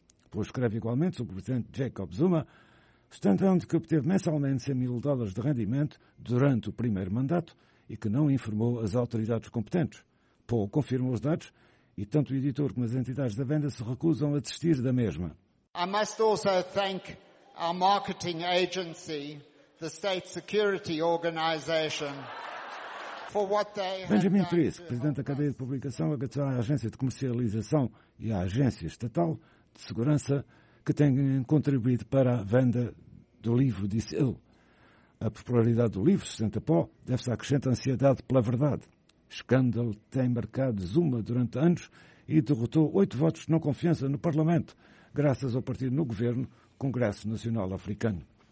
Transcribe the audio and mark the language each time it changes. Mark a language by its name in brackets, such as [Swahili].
[Portuguese] Pou escreve igualmente sobre o presidente Jacob Zuma, sustentando que obteve mensalmente $100 mil de rendimento durante o primeiro mandato e que não informou as autoridades competentes. Pou confirma os dados e tanto o editor como as entidades da venda se recusam a desistir da mesma. [English] I must also thank our marketing agency, the State Security Organization, for what they have done. [Portuguese] Benjamin Priest, presidente da cadeia de publicação, agradeceu à agência de comercialização e à agência estatal de segurança que têm contribuído para a venda do livro, disse ele. A popularidade do livro, sustenta Pó, deve-se à crescente ansiedade pela verdade. Escândalo tem marcado Zuma durante anos e derrotou 8 votos de não confiança no Parlamento, graças ao partido no governo, Congresso Nacional Africano.